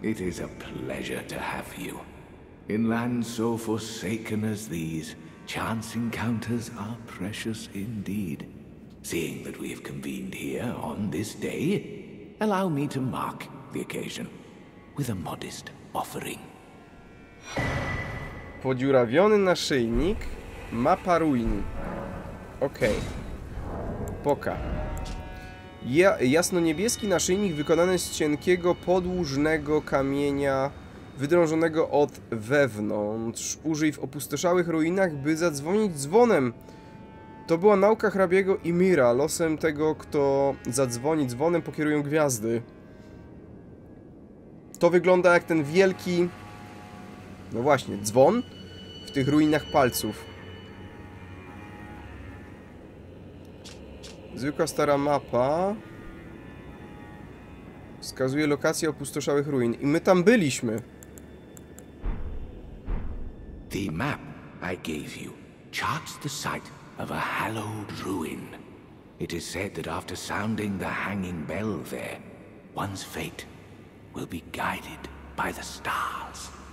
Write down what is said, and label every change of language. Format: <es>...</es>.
<en>It is a pleasure to have you. In lands so forsaken as these, chance encounters are precious indeed. Seeing that we have convened here on this day, allow me to mark the occasion with a modest offering.</en> <pl>Podziurawiony naszyjnik, mapa ruin. Okej. Okay. Poka. Jasno-niebieski naszyjnik wykonany z cienkiego, podłużnego kamienia, wydrążonego od wewnątrz. Użyj w opustoszałych ruinach, by zadzwonić dzwonem. To była nauka hrabiego Ymira. Losem tego, kto zadzwoni dzwonem, pokierują gwiazdy. To wygląda jak ten wielki... No właśnie, dzwon w tych ruinach palców. Zwykła stara mapa. Wskazuje lokację opustoszałych ruin. I my tam byliśmy.</pl> <en>The map I gave you charts the site of a hallowed ruin. It is said that after sounding the hanging bell there, one's fate will be guided by the stars.</en>